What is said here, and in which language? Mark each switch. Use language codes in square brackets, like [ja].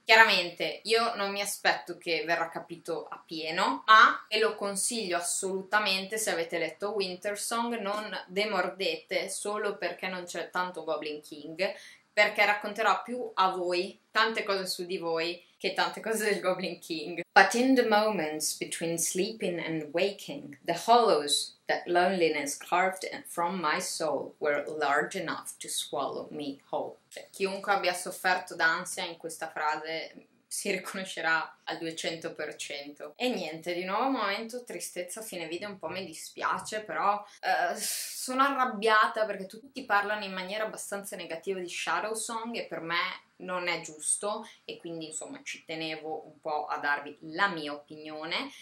[it] Chiaramente io non mi aspetto che verrà capito a pieno, ma ve lo consiglio assolutamente se avete letto Wintersong, non demordete solo perché non c'è tanto Goblin King, perché racconterà più a voi tante cose su di voi che tante cose del Goblin King. [en] But in the moments between sleeping and waking, the hollows that loneliness carved from my soul were large enough to swallow me whole. [it] Cioè, chiunque abbia sofferto d'ansia in questa frase si riconoscerà al 200%. E niente, di nuovo momento tristezza, fine video, un po' mi dispiace, però sono arrabbiata perché tutti parlano in maniera abbastanza negativa di Shadowsong e per me non è giusto, e quindi insomma ci tenevo un po' a darvi la mia opinione.